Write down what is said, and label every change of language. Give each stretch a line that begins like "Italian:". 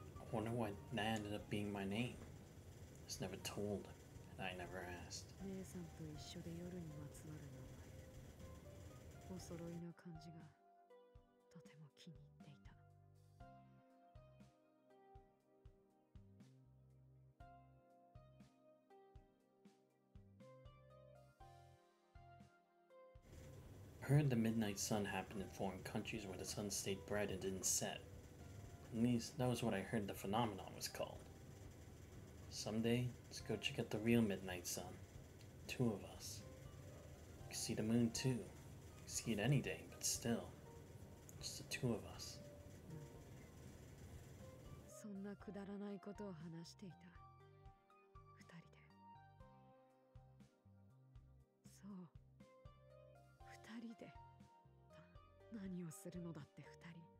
English: I wonder why that ended up being my name. I was never told, and I never asked.
Japanese: 姉さんと一緒で夜にまつわる名前。お揃いの感じがとても気に入っていた。
English: I heard the midnight sun happened in foreign countries where the sun stayed bright and didn't set. At least, that was what I heard the phenomenon was called. Someday, let's go check out the real midnight sun. Two of us. You can see the moon too. You can see it any day, but still. Just the two of us.
Japanese: そんなくだらないことを話していた。二人で。そう。二人で。何をするのだって二人。